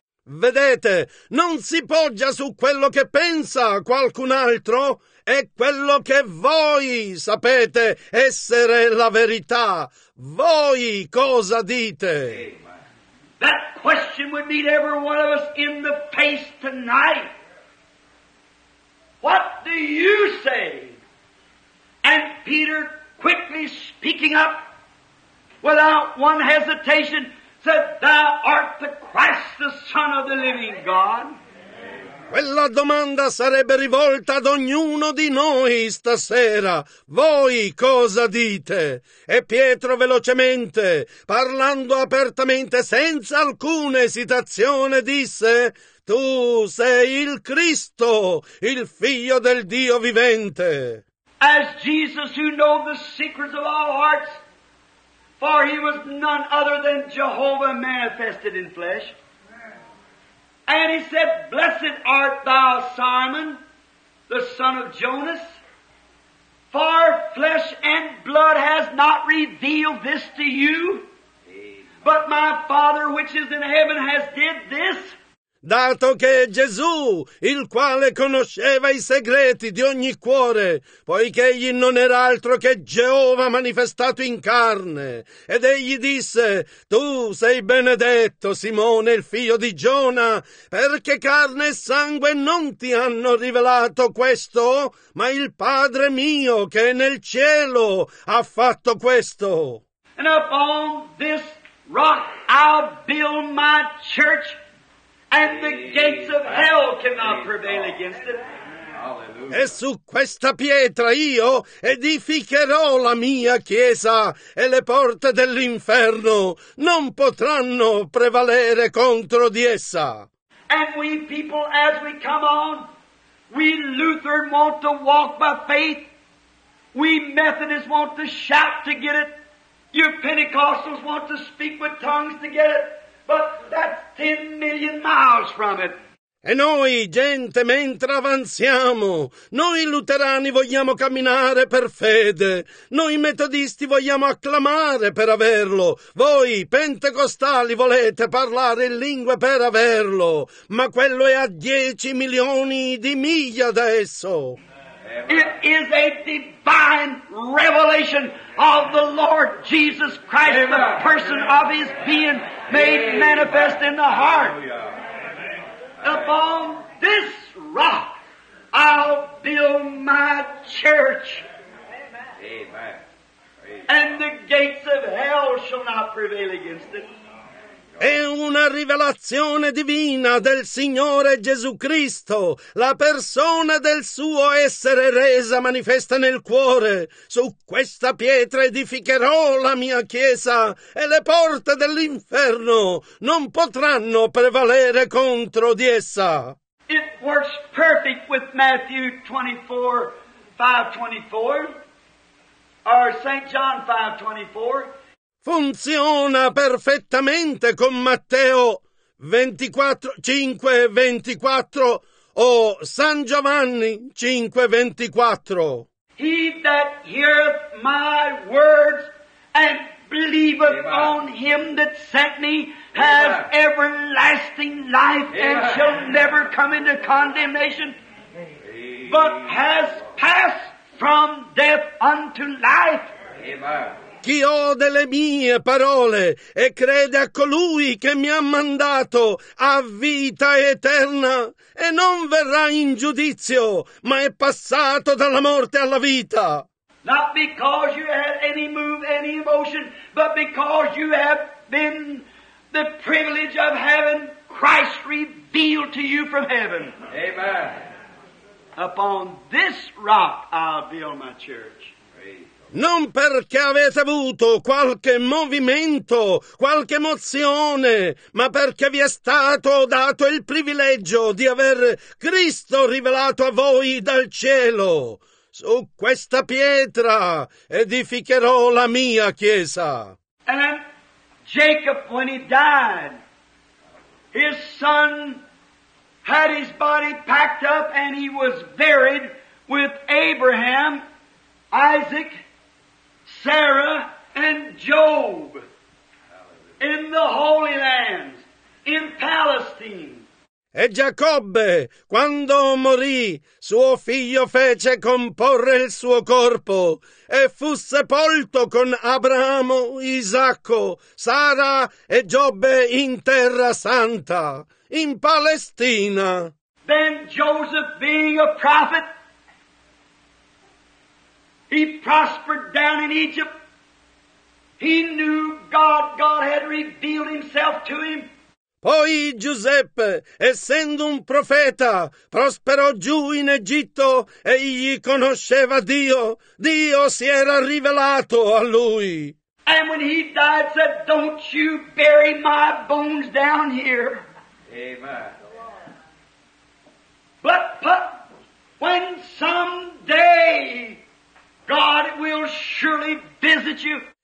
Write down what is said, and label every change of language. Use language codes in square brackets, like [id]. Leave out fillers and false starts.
[it] Vedete, non si poggia su quello che pensa qualcun altro, è quello che voi sapete essere la verità. Voi cosa dite? Amen. [en] That question would meet every one of us in the face tonight. What do you say? And Peter, quickly speaking up, without one hesitation, said, Thou art the Christ, the Son of the living God. [it] Quella domanda sarebbe rivolta ad ognuno di noi stasera. Voi cosa dite? E Pietro, velocemente, parlando apertamente, senza alcuna esitazione, disse, Tu sei il Cristo, il Figlio del Dio vivente. [en] As Jesus, who knows the secrets of all hearts, for he was none other than Jehovah manifested in flesh. And he said, Blessed art thou, Simon, the son of Jonas, for flesh and blood has not revealed this to you, but my Father which is in heaven has did this. [it] dato che Gesù, il quale conosceva i segreti di ogni cuore, poiché egli non era altro che Geova manifestato in carne, ed egli disse: tu sei benedetto, Simone, il figlio di Giona, perché carne e sangue non ti hanno rivelato questo, ma il Padre mio che è nel cielo ha fatto questo. [en] And upon this rock I'll build my church, and the gates of hell cannot prevail against it. [it] E su questa pietra io edificherò la mia chiesa, e le porte dell'inferno non potranno prevalere contro di essa. [en] And we people, as we come on, we Lutheran want to walk by faith, we Methodists want to shout to get it, you Pentecostals want to speak with tongues to get it, but that's 10 million miles from it. [it] E noi, gente, mentre avanziamo, noi luterani vogliamo camminare per fede, noi metodisti vogliamo acclamare per averlo, voi pentecostali volete parlare in lingue per averlo, ma quello è a 10 milioni di miglia da esso. [en] It is a divine revelation of the Lord Jesus Christ, the person of his being made manifest in the heart. Upon this rock I'll build my church. Amen. And the gates of hell shall not prevail against it. [it] È una rivelazione divina del Signore Gesù Cristo, la persona del suo essere resa manifesta nel cuore. Su questa pietra edificherò la mia chiesa, e le porte dell'inferno non potranno prevalere contro di essa. [en] It works perfect with Matthew 24:5-24, or St. John 5:24. [it] Funziona perfettamente con Matteo 24:5-24 o San Giovanni 5:24. [en] He that heareth my words and believeth Amen. On him that sent me has Amen. Everlasting life Amen. And shall never come into condemnation, Amen. But has passed from death unto life. Amen. [it] Chi ode le mie parole e crede a colui che mi ha mandato ha vita eterna e non verrà in giudizio, ma è passato dalla morte alla vita. [en] Not because you had any move, any emotion, but because you have been the privilege of having Christ revealed to you from heaven. Amen. Upon this rock I'll build my church. [it] Non perché avete avuto qualche movimento, qualche emozione, ma perché vi è stato dato il privilegio di aver Cristo rivelato a voi dal cielo. Su questa pietra edificherò la mia chiesa. [en] And Jacob, when he died, his son had his body packed up and he was buried with Abraham, Isaac, Sarah and Job in the Holy Lands, in Palestine. [it] E Giacobbe, quando morì, suo figlio fece comporre il suo corpo e fu sepolto con Abramo, Isacco, Sara e Giobbe in Terra Santa, in Palestina. [en] Then Joseph, being a prophet, he prospered down in Egypt. He knew God. God had revealed himself to him. [it] Poi Giuseppe, essendo un profeta, prosperò giù in Egitto e egli conosceva Dio. Dio si era rivelato a lui. [en] And when he died, said, "Don't you bury my bones down here." Amen. But when someday God will surely visit you.